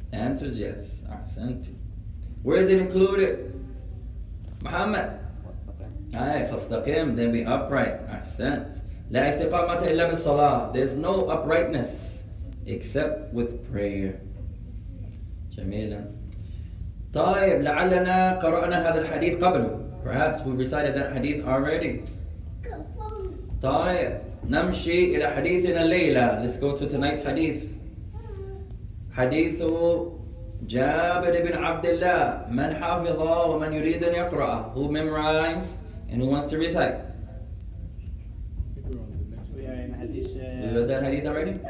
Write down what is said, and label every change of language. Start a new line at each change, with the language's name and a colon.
English: The answer is yes. Ahsanti. Where is it included? Muhammad. Fastaqim. Aye, fastaqim, then be upright. Ahsanti.
Arabic: La istiqamata illa bis salah.
English: There's no uprightness except with prayer. Jamila.
Arabic: طيب لعلنا قرأنا هذا الحديث قبل.
English: Perhaps we recited that hadith already.
Arabic: طيب نمشي إلى حديثنا الليلة.
English: Let's go to tonight's hadith.
Arabic: حديث جابر بن عبد الله. من حافظ ومن يريد أن يقرأ.
English: Who memorized and who wants to recite? Everybody. You read that hadith already?